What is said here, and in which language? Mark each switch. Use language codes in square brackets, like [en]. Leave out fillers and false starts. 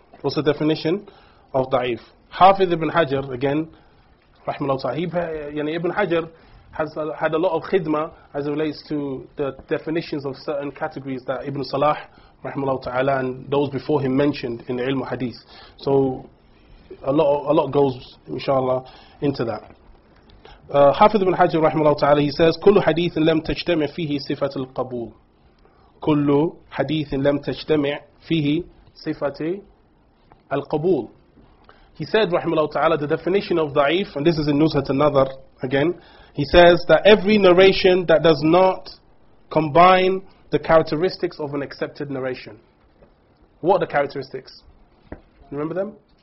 [en] What's the definition of da'if? Hafiz ibn Hajar, again, rahimahullah ta'ala, yani ibn Hajar has had a lot of khidmah as it relates to the definitions of certain categories that Ibn Salah, rahimahullah ta'ala, and those before him mentioned in the ilm hadith. So a lot goes, inshallah, into that. Hafiz ibn Hajar, rahimahullah ta'ala, he says, [ar] كل حديث لم تجتمع فيه صفة القبول. كل حديث لم تجتمع فيه صفة القبول. [en] He said, rahimahullah ta'ala, the definition of da'if, and this is in Nuzhat al-Nadhar again, he says that every narration that does not combine the characteristics of an accepted narration. What are the characteristics? Remember them?